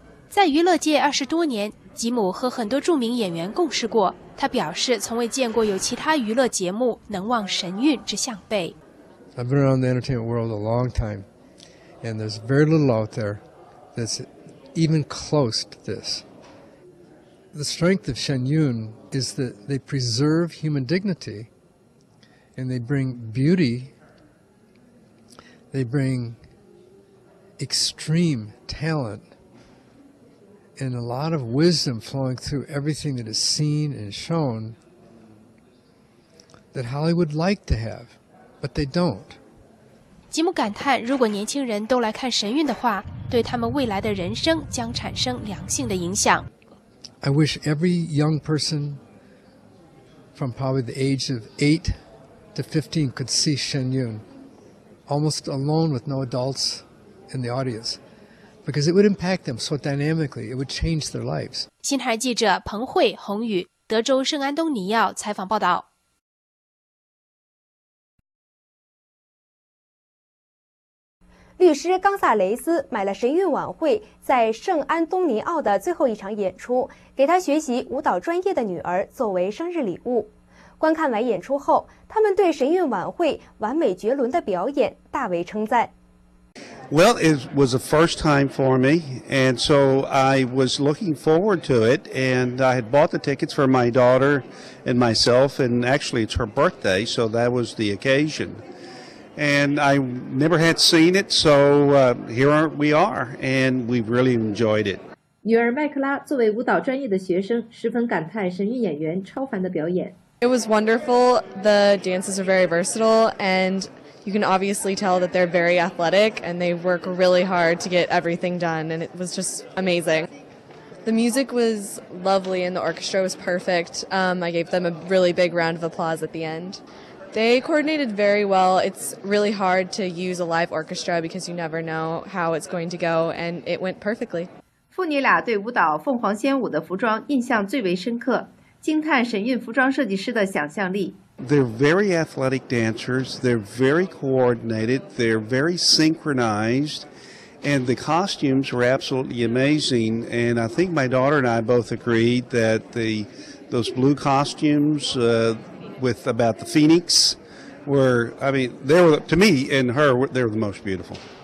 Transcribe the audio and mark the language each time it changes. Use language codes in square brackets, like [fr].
[zh] 在娱乐界二十多年，吉姆和很多著名演员共事过。他表示，从未见过有其他娱乐节目能望神韵之项背。 [en] I've been around the entertainment world a long time, and there's very little out there that's even close to this. The strength of Shen Yun is that they preserve human dignity, and they bring beauty. They bring extreme talent. And a lot of wisdom flowing through everything that is seen and shown that Hollywood like to have, but they don't. [zh] 吉姆感叹，如果年轻人都来看神韵的话，对他们未来的人生将产生良性的影响。 [en] I wish every young person from probably the age of 8 to 15 could see Shen Yun almost alone with no adults in the audience. Because it would impact them so dynamically, it would change their lives. [zh] 新台记者彭慧、洪宇，德州圣安东尼奥采访报道。律师冈萨雷斯买了神韵晚会在圣安东尼奥的最后一场演出，给他学习舞蹈专业的女儿作为生日礼物。观看完演出后，他们对神韵晚会完美绝伦的表演大为称赞。 [en] Well, it was the first time for me, and so I was looking forward to it, and I had bought the tickets for my daughter and myself, and actually it's her birthday, so that was the occasion. And I never had seen it, so here we are, and we really enjoyed it. [zh] 女儿麦克拉作为舞蹈专业的学生，十分感叹神韵演员超凡的表演。 [en] It was wonderful. The dances are very versatile, andYou can obviously tell that they're very athletic and they work really hard to get everything done, and it was just amazing. The music was lovely and the orchestra was perfect. I gave them a really big round of applause at the end. They coordinated very well. It's really hard to use a live orchestra because you never know how it's going to go, and it went perfectly. [zh] 父女俩对舞蹈《凤凰仙舞》的服装印象最为深刻，惊叹神韵服装设计师的想象力。 [en] They're very athletic dancers, they're very coordinated, they're very synchronized, and the costumes were absolutely amazing. And I think my daughter and I both agreed that those blue costumes with about the phoenix were, I mean, they were, to me and her, they were the most beautiful.